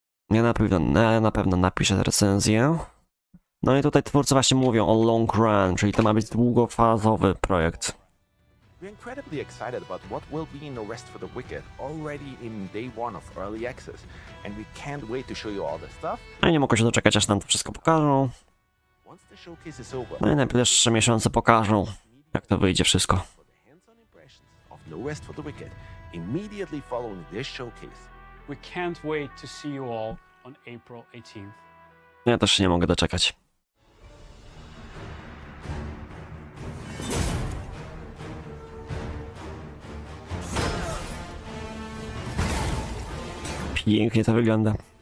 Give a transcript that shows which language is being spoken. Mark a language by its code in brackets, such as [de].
[pl] Ja na pewno napiszę recenzję. No i tutaj twórcy właśnie mówią o long run, czyli to ma być długofazowy projekt. [en] Incredibly excited about what will be in the rest for the Wicket already in day one of early access, and we can't wait to show you all the stuff. [pl] No i nie mogę się doczekać, aż nam to wszystko pokażą. [en] Once the showcase is over, [pl] no i najbliższe miesiące pokażą, jak to wyjdzie wszystko. [en] Hands-on impressions of the rest for the Wicket immediately following this showcase. We can't wait to see you all on April 18th. [pl] Ja też się nie mogę doczekać. Pięknie to wygląda.